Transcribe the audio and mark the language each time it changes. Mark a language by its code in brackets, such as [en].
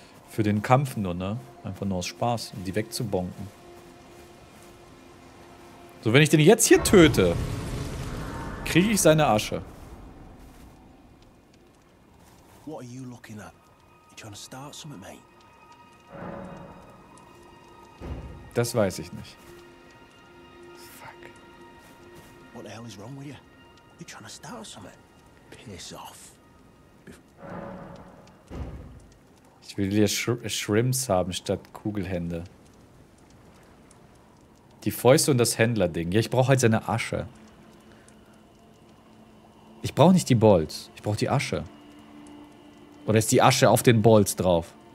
[de] Für den Kampf nur, ne? Einfach nur aus Spaß, um die wegzubonken. So, wenn ich den jetzt hier töte, kriege ich seine Asche. [en] What are you looking at? You trying to start something, mate? [de] Das weiß ich nicht. [en] Fuck. What the hell is wrong with you? You trying to start something? Piss off. [de] Ich will hier Shrimps haben statt Kugelhände. Die Fäuste und das Händlerding. Ja, ich brauche halt seine Asche. Ich brauche nicht die Bolts. Ich brauche die Asche. Oder ist die Asche auf den Bolts drauf?